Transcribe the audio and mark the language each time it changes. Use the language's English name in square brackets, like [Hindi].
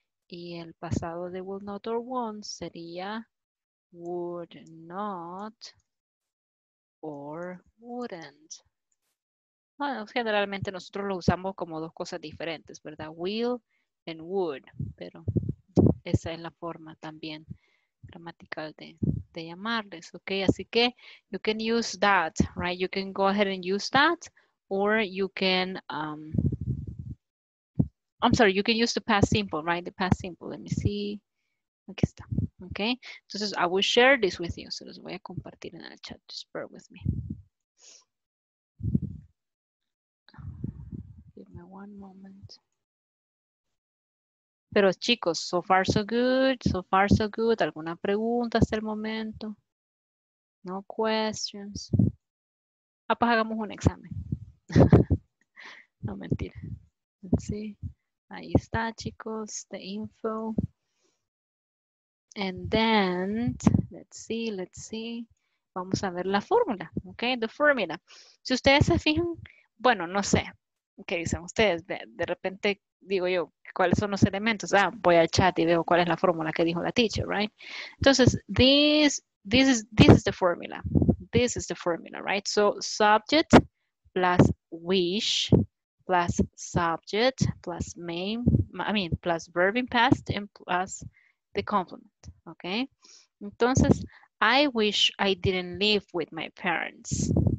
[Spanish] Y el pasado de [English] will not or won't [Spanish] sería [English] would not or wouldn't. [Spanish] Bueno, generalmente nosotros lo usamos como dos cosas diferentes, ¿verdad? [English] Will and would, [Spanish] pero esa es la forma también gramatical de llamarles, ¿ok? Así que [English] you can use that, right? You can go ahead and use that, or you can, I'm sorry, you can use the past simple, right? The past simple, let me see. [Spanish] Aquí está, [English] ¿ok? Entonces, I will share this with you. [Spanish] Se los voy a compartir en el chat. [English] Just bear with me. Give me one moment. [Spanish] Pero chicos, [English] so far so good, so far so good. [Spanish] ¿Alguna pregunta hasta el momento? [English] No questions. [Spanish] Ah, pues hagamos un examen. No, mentira. [English] Let's see. [Spanish] Ahí está, chicos, [English] the info. And then, let's see. [Spanish] Vamos a ver la fórmula, ok, [English] the formula. [Spanish] Si ustedes se fijan, bueno, no sé, ¿qué dicen ustedes? De repente digo yo, ¿cuáles son los elementos? Ah, voy al chat y veo cuál es la fórmula que dijo la teacher, right? [English] Entonces, this is the formula. This is the formula, right? So, subject plus wish plus subject plus main, I mean, plus verb in past and plus the complement, ok? Entonces, I wish I didn't live with my parents.